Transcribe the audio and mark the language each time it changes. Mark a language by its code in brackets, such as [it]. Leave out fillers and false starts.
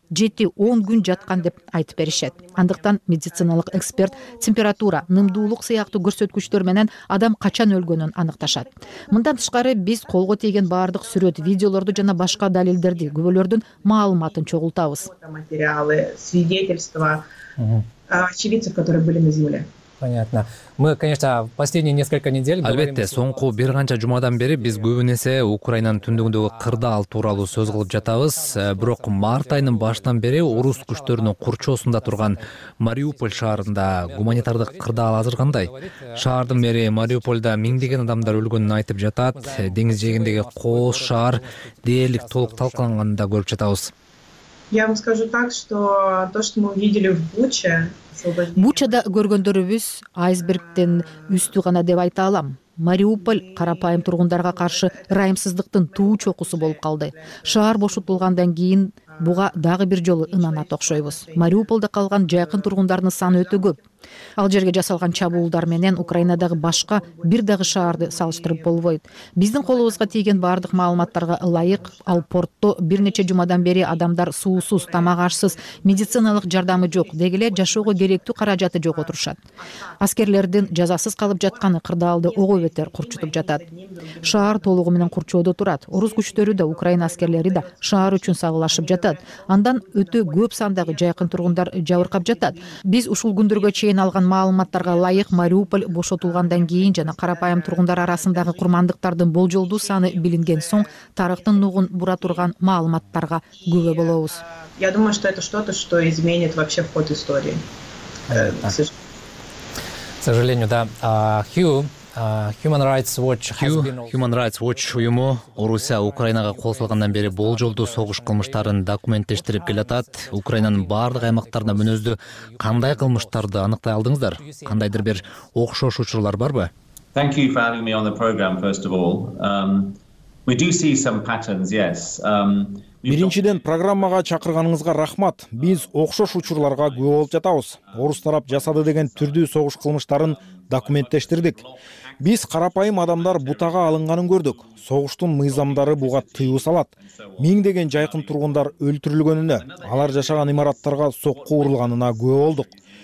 [ky] 7-10 күн жаткан деп айтып беришет. Андыктан медициналык эксперт температура, нымдуулук сыяктуу көрсөткүчтөр менен адам качан өлгөнүн аныкташат. Мындан тышкары биз колго тийген баардык сүрөт, видеолорду жана башка далилдерди, күбөлөрдүн маалыматын чогултабыз. [ru] Материалы, свидетельства очевидцев, которые были на земле. Понятно. Мы, конечно, последние несколько недель... [ky] Албетте, соңку бир канча жумадан бери биз көбүнесе Украинанын түндүгүндөгү кырдаал тууралуу сөз кылып жатабыз. Бирок март айынын башынан бери орус күчтөрүнүн курчоосунда турган Мариуполь шаарында гуманитардык кырдаал азыр кандай? Шаардын мэри Мариуполда миңдеген адамдар өлгөнүн айтып жатат. Деңиз жээгиндеги кооз шаар дээрлик толук талкаланганын да көрүп жатабыз. [ru] Я вам скажу так, что то, что мы увидели в Буче... [ky] Бучада көргөндөрүбүз айсбергтен үстү гана деп айта алам. Мариуполь карапайым тургундарга каршы ырайымсыздыктын туу чокусу болуп калды. Шаар бошотулгандан кийин буга дагы бир жолу ынанат окшойбуз. Мариуполда калган жакын тургундардын саны өтө көп. Ал жерге жасалган чабуулдар менен Украинадагы башка бир дагы шаарды салыштырып болбойт. Биздин колубузга тийген баардык маалыматтарга ылайык, ал портто бир нече жумадан бери адамдар суусуз, тамак ашсыз, медициналык жардамы жок, деги эле жашоого керектүү каражаты жок отурушат. Аскерлердин жазасыз калып жатканы кырдаалды огой бетер курчутуп жатат. Шаар толугу менен курчоодо турат. Орус күчтөрү да, Украина аскерлери да шаар үчүн сагылашып жатат. Андан өтө көп сандагы жайкын тургундар жабыркап жатат. Биз ушул күндөргө чейин алган маалыматтарга ылайык, Мариуполь бошотулгандан кийин жана карапайым тургундар арасындагы курмандыктардын болжолдуу саны билинген соң тарыхтын нугун бура турган маалыматтарга күбө болобуз. [ru] Я думаю, что это что-то, что изменит вообще ход истории. К сожалению, да. [ky] Human Rights Watch уюму Орусия Украинага кол салгандан бери болжолдуу согуш кылмыштарын документтештирип келатат. Украинанын баардык аймактарында мүнөздүү кандай кылмыштарды аныктай алдыңыздар? Кандайдыр бир окшош учурлар барбы? [en] Thank you for having me on the program, first of all. We do see some patterns, yes. [ky] Биринчиден программага чакырганыңызга рахмат. Биз окшош учурларга күбө болуп жатабыз. Орус тарап жасады деген түрдүү согуш кылмыштарын документтештирдик. Биз карапайым адамдар бутага алынганын көрдүк. Согуштун мыйзамдары буга тыюу салат. Миңдеген жайкын тургундар өлтүрүлгөнүнө, алар жашаган имараттарга сокку урулганына күбө болдук.